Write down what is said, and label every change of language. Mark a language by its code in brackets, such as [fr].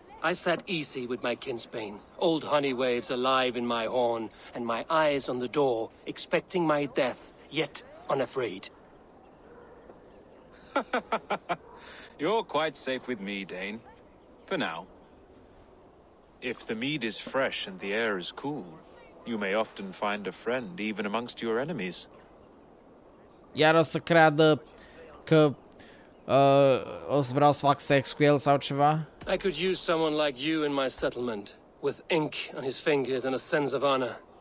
[en] I sat easy with my kinsbane, old honey waves alive in my horn, and my eyes on the door, expecting my death, yet unafraid. You're quite safe with me, Dane. For now. If the mead is fresh and the air is cool, you may often find a friend even amongst your enemies. [ro] Iar o să creadă că o să vreau să fac sex cu el sau ceva. [en] I could use someone like you in my settlement, with ink on his fingers and a sense of honor.